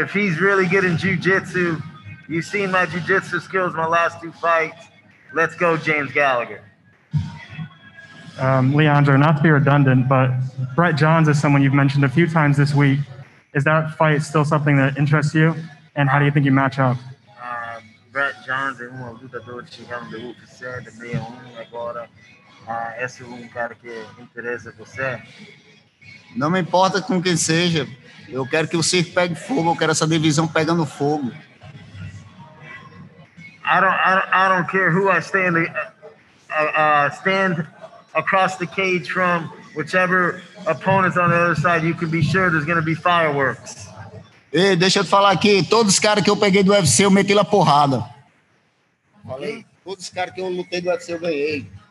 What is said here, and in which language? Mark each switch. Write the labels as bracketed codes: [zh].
[en] If he's really good in jiu-jitsu, you've seen my jiu-jitsu skills my last two fights. Let's go, James Gallagher. Leandro, not to be redundant, but Brett Johns is someone you've mentioned a few times this week. Is that fight still something that interests you? And how do you think you match up? [pt] Brett Johns é lutador que chegamos do UFC, de 61 agora. Esse é cara que interessa você? Não me importa com quem seja. Eu quero que o circo pegue fogo. Eu quero essa divisão pegando fogo. [en] I don't care who I stand across the cage from, whichever opponents on the other side, you can be sure there's going to be fireworks. [pt] Ei, deixa eu te falar aqui, todos os caras que eu peguei do UFC, eu meti lá porrada. Falei, todos os caras que eu lutei do UFC, eu ganhei.